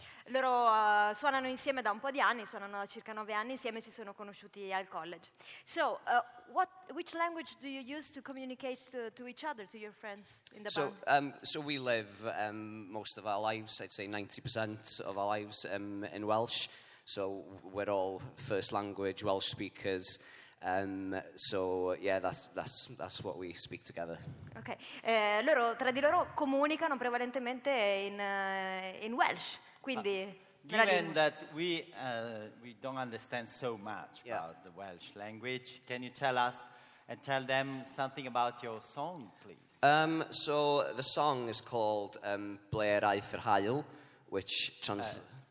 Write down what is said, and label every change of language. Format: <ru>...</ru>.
<it>Loro suonano insieme da un po' di anni, suonano da circa 9 anni insieme, si sono conosciuti al college.</it> <en>So, which language do you use to communicate to each other, to your friends in the band? So we live most of our lives, I'd say 90% of our lives in Welsh. So we're all first language Welsh speakers. So yeah, that's what we speak together.</en> <it>Okay, loro tra di loro comunicano prevalentemente in Welsh. Quindi,</it> <en>given that we don't understand so much about the Welsh language, can you tell us and tell them something about your song, please? So the song is called Blair Aether Hail, which trans.</en>